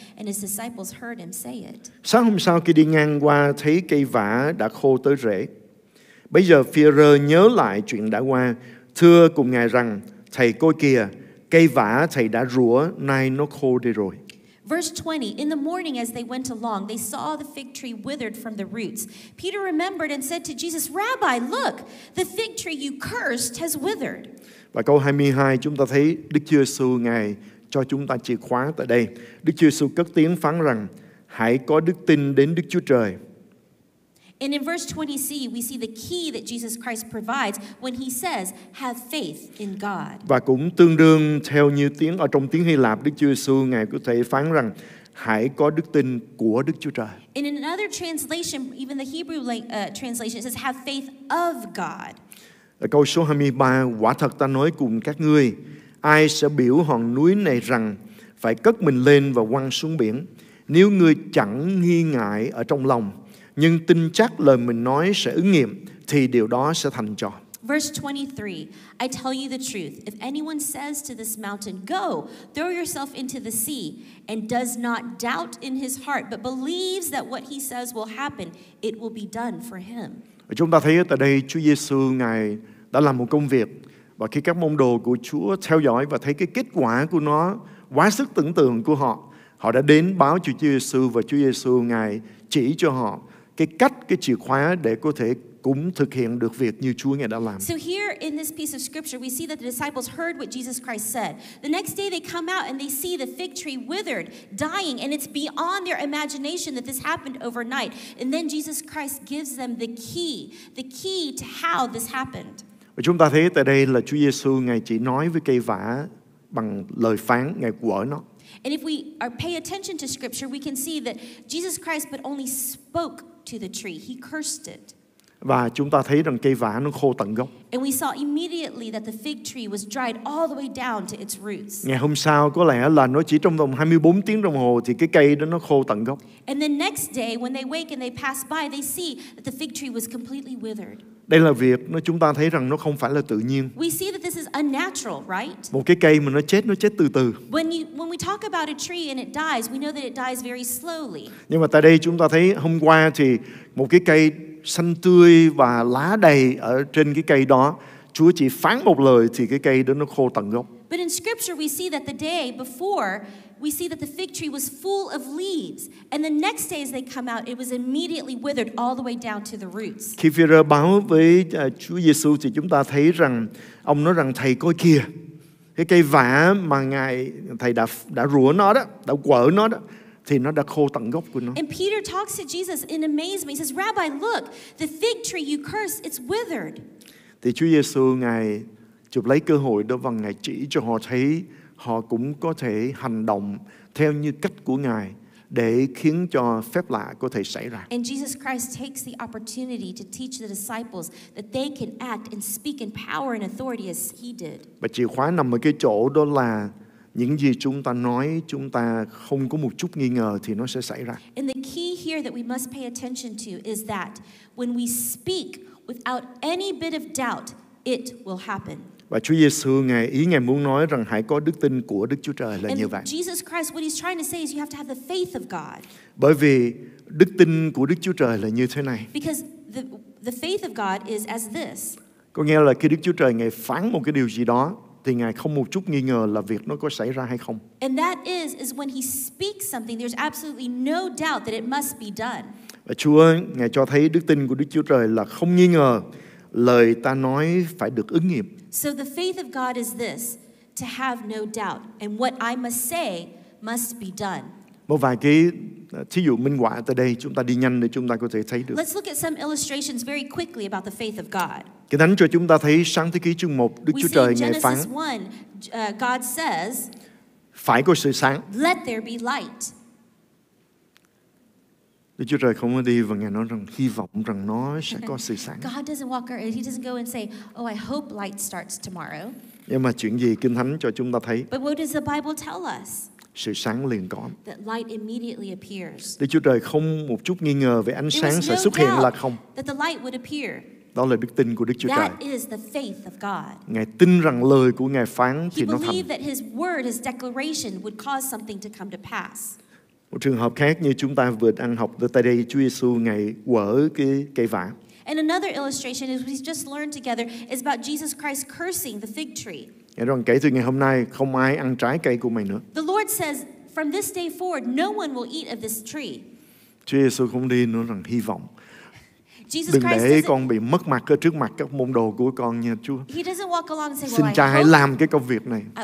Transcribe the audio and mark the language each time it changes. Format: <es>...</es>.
<en>And his disciples heard him say it.</en> <vi>Sáng hôm sau khi đi ngang qua, thấy cây vả đã khô tới rễ. Bây giờ Phi-e-rơ nhớ lại chuyện đã qua, thưa cùng Ngài rằng, thầy coi kìa, cây vả thầy đã rủa, nay nó khô đi rồi.</vi> <en>Verse 20, in the morning as they went along, they saw the fig tree withered from the roots. Peter remembered and said to Jesus, Rabbi, look, the fig tree you cursed has withered.</en> <vi>Và câu 22, chúng ta thấy Đức Chúa Giêsu Ngài cho chúng ta chìa khóa tại đây. Đức Chúa Giêsu cất tiếng phán rằng, hãy có đức tin đến Đức Chúa Trời.</vi> <en>And in verse 20c, we see the key that Jesus Christ provides when he says, have faith in God.</en> <vi>Và cũng tương đương theo như tiếng, ở trong tiếng Hy Lạp, Đức Chúa Giêsu Ngài có thể phán rằng, hãy có đức tin của Đức Chúa Trời.</vi> <en>And in another translation, even the Hebrew translation, it says, have faith of God.</en> <vi>Ở câu số 23, quả thật ta nói cùng các ngươi, ai sẽ biểu hòn núi này rằng, phải cất mình lên và quăng xuống biển, nếu ngươi chẳng nghi ngại ở trong lòng, nhưng tin chắc lời mình nói sẽ ứng nghiệm thì điều đó sẽ thành cho.</vi> <en>Verse 23. I tell you the truth, if anyone says to this mountain, go, throw yourself into the sea, and does not doubt in his heart, but believes that what he says will happen, it will be done for him.</en> <vi>Chúng ta thấy tại đây Chúa Giêsu Ngài đã làm một công việc, và khi các môn đồ của Chúa theo dõi và thấy cái kết quả của nó quá sức tưởng tượng của họ, họ đã đến báo cho Chúa Giêsu và Chúa Giêsu Ngài chỉ cho họ cái cách, cái chìa khóa để có thể cũng thực hiện được việc như Chúa Ngài đã làm.</vi> <en>So here in this piece of scripture, we see that the disciples heard what Jesus Christ said. The next day they come out and they see the fig tree withered, dying, and it's beyond their imagination that this happened overnight. And then Jesus Christ gives them the key to how this happened.</en> <vi>Và chúng ta thấy tại đây là Chúa Giêsu Ngài chỉ nói với cây vả bằng lời phán, Ngài quở nó.</vi> <en>And if we are pay attention to scripture, we can see that Jesus Christ but only spoke to the tree. He cursed it.</en> <vi>Và chúng ta thấy rằng cây vả nó khô tận gốc.</vi> <en>And we saw immediately that the fig tree was dried all the way down to its roots.</en> <vi>Ngày hôm sau có lẽ là nó chỉ trong vòng 24 tiếng đồng hồ thì cái cây đó nó khô tận gốc.</vi> <en>And the next day when they wake and they pass by, they see that the fig tree was completely withered.</en> <vi>Đây là việc nó chúng ta thấy rằng nó không phải là tự nhiên.</vi> <en>We see that this is unnatural, right?</en> <vi>Một cái cây mà nó chết từ từ.</vi> <en>When we talk about a tree and it dies, we know that it dies very slowly.</en> <vi>Nhưng mà tại đây chúng ta thấy hôm qua thì một cái cây xanh tươi và lá đầy ở trên cái cây đó, Chúa chỉ phán một lời thì cái cây đó nó khô tận gốc.</vi> <en>But in scripture we see that the day before, we see that the fig tree was full of leaves, and the next day as they come out, it was immediately withered all the way down to the roots.</en> <vi>Khi Phi-e-rơ báo với Chúa Giêsu thì chúng ta thấy rằng ông nói rằng thầy coi kìa, cái cây vả mà ngài thầy đã rủa nó đó, đã quở nó đó, thì nó đã khô tận gốc của nó.</vi> <en>And Peter talks to Jesus in amazement. He says, "Rabbi, look, the fig tree you cursed—it's withered."</en> <vi>Thì Chúa Giêsu ngài chụp lấy cơ hội đó và ngài chỉ cho họ thấy họ cũng có thể hành động theo như cách của Ngài để khiến cho phép lạ có thể xảy ra.</vi> <en>And Jesus Christ takes the opportunity to teach the disciples that they can act and speak in power and authority as he did.</en> <vi>Và chìa khóa nằm ở cái chỗ đó là những gì chúng ta nói, chúng ta không có một chút nghi ngờ thì nó sẽ xảy ra.</vi> <en>And the key here that we must pay attention to is that when we speak without any bit of doubt, it will happen.</en> <vi>Và Chúa Giêsu ngài ý ngài muốn nói rằng hãy có đức tin của Đức Chúa Trời là</vi> <en>and</en> <vi>như vậy.</vi> <en>Jesus Christ, what he's trying to say is you have to have the faith of God.</en> <vi>Bởi vì đức tin của Đức Chúa Trời là như thế này.</vi> <en>Because the faith of God is as this.</en> <vi>Có nghĩa là khi Đức Chúa Trời ngài phán một cái điều gì đó, thì Ngài không một chút nghi ngờ là việc nó có xảy ra hay không.</vi> <en>And that is when he speaks something, there's absolutely no doubt that it must be done.</en> <vi>Và Chúa, Ngài cho thấy đức tin của Đức Chúa Trời là không nghi ngờ lời ta nói phải được ứng nghiệm.</vi> <en>So the faith of God is this, to have no doubt, and what I must say must be done.</en> <vi>Một vài cái thí dụ minh họa tại đây, chúng ta đi nhanh để chúng ta có thể thấy được.</vi> <en>Let's look at some illustrations very quickly about the faith of God.</en> <vi>Kinh Thánh cho chúng ta thấy sáng thế ký chương 1, Đức Chúa Trời Ngài phán,</vi> <en>God says,</en> <vi>phải có sự sáng.</vi> <en>Let there be light.</en> <vi>Đức Chúa Trời không có đi và Ngài nói rằng hy vọng rằng nó sẽ có sự sáng.</vi> <en>God doesn't walk around, he doesn't go and say, oh, I hope light starts tomorrow.</en> <vi>Nhưng mà chuyện gì Kinh Thánh cho chúng ta thấy?</vi> <en>But what does the Bible tell us?</en> <vi>Sự sáng liền có.</vi> <en>That light immediately appears.</en> <vi>Đức Chúa Trời không một chút nghi ngờ về ánh sáng sẽ xuất hiện là không.</vi> <en>That the light would appear.</en> <vi>Đó là đức tin của Đức Chúa</vi> <en>that</en> <vi>Trời.</vi> <en>Is the faith of God.</en> <vi>Ngài tin rằng lời của Ngài phán thì nó thành.</vi> <en>That his word, his declaration would cause something to come to pass.</en> <vi>Một trường hợp khác như chúng ta vừa ăn học tại đây, Chúa Giêsu Ngài quở cái cây vả.</vi> <en>And another illustration is we just learned together is about Jesus Christ cursing the fig tree.</en> <vi>Ngài rằng kể từ ngày hôm nay không ai ăn trái cây của mày nữa.</vi> <en>The Lord says from this day forward no one will eat of this tree.</en> <vi>Chúa Giêsu cũng đi nói rằng hy vọng. Đừng để con bị mất mặt ở trước mặt các môn đồ của con nha Chúa.</vi> <en>He doesn't walk along and say, well,</en> <vi>xin Cha hãy làm cái công việc này.</vi>